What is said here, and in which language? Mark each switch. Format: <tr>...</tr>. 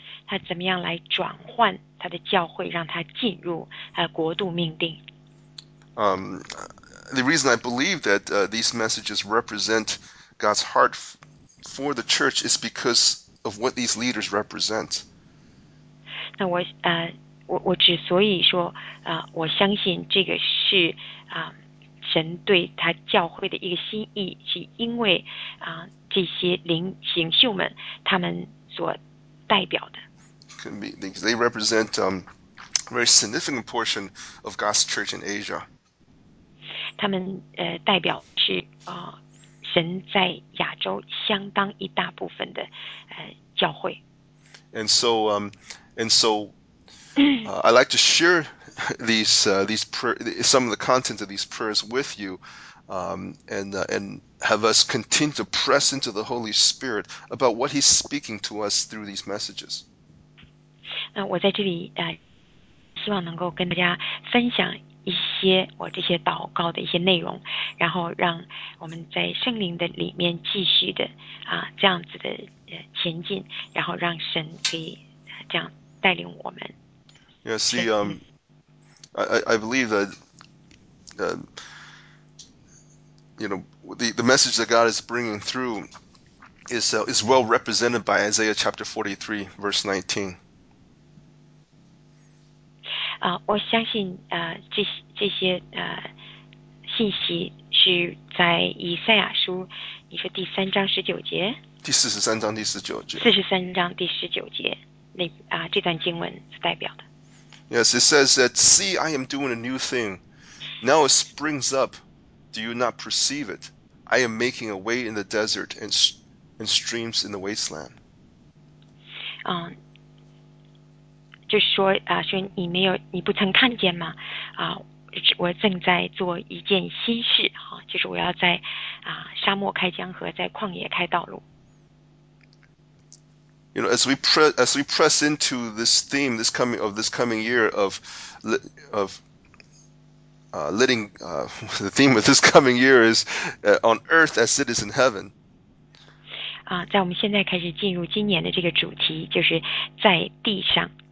<zh>他怎么样来转换他的教会，让他进入国度命定。</zh> <en>The reason I believe that these messages represent God's heart for the church is because of what these leaders represent.</en> <zh>那我我之所以说我相信这个是神对他教会的一个心意，是因为这些领袖们他们所代表的。</zh> <en>They represent a very significant portion of God's church in Asia.</en> <zh>他们代表是神在亚洲相当一大部分的教会。</zh> <en>And so, I like to share these prayers, some of the content of these prayers with you, and have us continue to press into the Holy Spirit about what He's speaking to us through these messages.</en> <zh>我在这里希望能够跟大家分享一些我这些祷告的一些内容，然后让我们在圣灵的里面继续的这样子的前进，然后让神可以这样带领我们。</zh> <en>Yeah, see, I believe that, you know, the message that God is bringing through is well represented by Isaiah chapter 43, verse 19.</en> <zh>我相信这些信息是在以赛亚书，你说第三章十九节，第四十三章第十九节，四十三章第十九节那这段经文是代表的。</zh> <en>Yes, it says that, "See, I am doing a new thing. Now it springs up. Do you not perceive it? I am making a way in the desert and streams in the wasteland."</en> <zh>就是说说你没有，你不曾看见吗？我正在做一件新事，就是我要在沙漠开江河，在旷野开道路。</zh> <en>You know, as we press into this theme, this coming year of letting the theme of this coming year is on earth as it is in heaven.</en> <zh>在我们现在开始进入今年的这个主题，就是在地上。</zh>